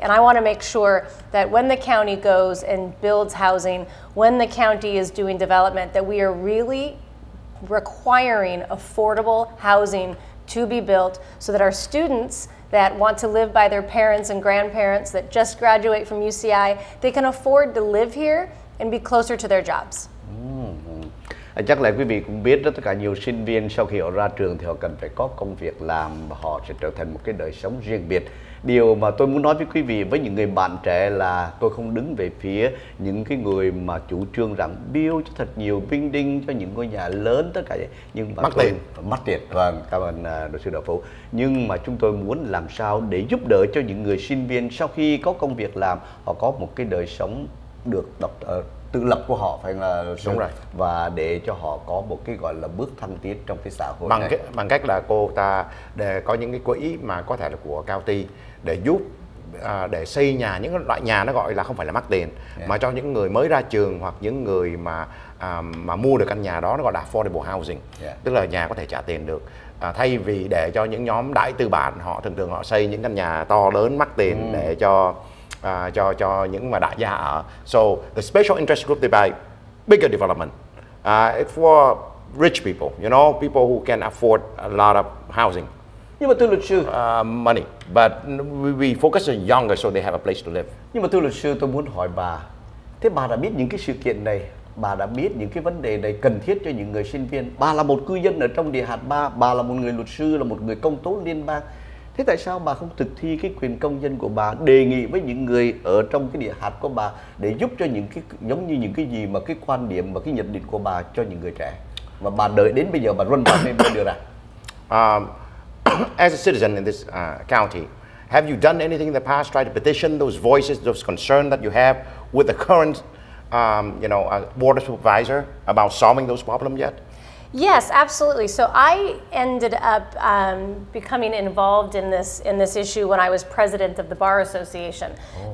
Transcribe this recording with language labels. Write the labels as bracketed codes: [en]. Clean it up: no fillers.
[en] And I want to make sure that when the county goes and builds housing, when the county is doing development, that we are really requiring affordable housing to be built, so that our students that want to live by their parents and grandparents that just graduate from UCI, they can afford to live here and be closer to their jobs. [vi] Chắc là quý vị cũng biết đó, tất cả nhiều sinh viên sau khi họ ra trường thì họ cần phải có công việc làm, và họ sẽ trở thành một cái đời sống riêng biệt. Điều mà tôi muốn nói với quý vị, với những người bạn trẻ, là tôi không đứng về phía những cái người mà chủ trương rằng build cho thật nhiều building cho những ngôi nhà lớn tất cả, nhưng mà mắc tiền. Mắc tiền, vâng, cảm ơn luật sư Đỗ Phú. Nhưng mà chúng tôi muốn làm sao để giúp đỡ cho những người sinh viên sau khi có công việc làm, họ có một cái đời sống được tự lập của họ phải là đúng rồi, và để cho họ có một cái gọi là bước thăng tiến trong cái xã hội bằng này. Bằng cách là cô ta để có những cái quỹ mà có thể là của county để giúp để xây nhà, những loại nhà nó gọi là không phải là mắc tiền, mà cho những người mới ra trường hoặc những người mà mua được căn nhà đó, nó gọi là affordable housing, tức là nhà có thể trả tiền được. Thay vì để cho những nhóm đại tư bản, họ thường thường họ xây những căn nhà to lớn mắc tiền để cho những mà đại gia ở. [en] So the special interest group they buy bigger development for rich people, you know, people who can afford a lot of housing. [vi] Nhưng mà thưa luật sư, [en] money, but we focus on younger so they have a place to live. [vi] Nhưng mà thưa luật sư, tôi muốn hỏi bà, thế bà đã biết những cái sự kiện này, bà đã biết những cái vấn đề này cần thiết cho những người sinh viên. Bà là một cư dân ở trong địa hạt 3, bà là một người luật sư, là một người công tố liên bang. Thế tại sao bà không thực thi cái quyền công dân của bà, đề nghị với những người ở trong cái địa hạt của bà để giúp cho những cái giống như những cái gì mà cái quan điểm và cái nhận định của bà cho những người trẻ mà bà đợi đến bây giờ bà run bà nên bây giờ ra? [en] As a citizen in this county, have you done anything in the past, try to petition those voices, those concerns that you have with the current board supervisor about solving those problems yet? Yes, absolutely. So I ended up becoming involved in this issue when I was president of the Bar Association. Oh.